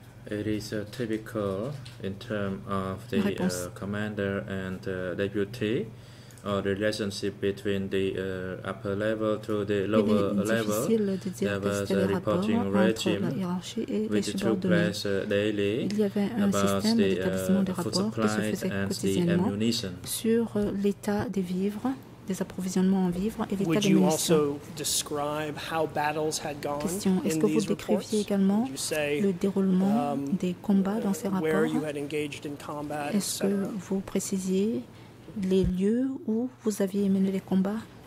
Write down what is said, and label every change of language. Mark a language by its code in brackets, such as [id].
[en] It is typical in terms of the commander and deputy. Or the relationship between the upper level to the lower level, there was a reporting regime which took place daily about the food supplies and the ammunition. [fr] Sur l'état des vivres, des approvisionnements en vivres et l'état d'ammunition. [en] Would you also describe how battles had gone in these reports? [fr] Est-ce que vous décriviez également le déroulement des combats dans ces rapports? [en] Where you had engaged in combat, [fr] est-ce que vous précisiez les lieux où vous aviez mené les combats?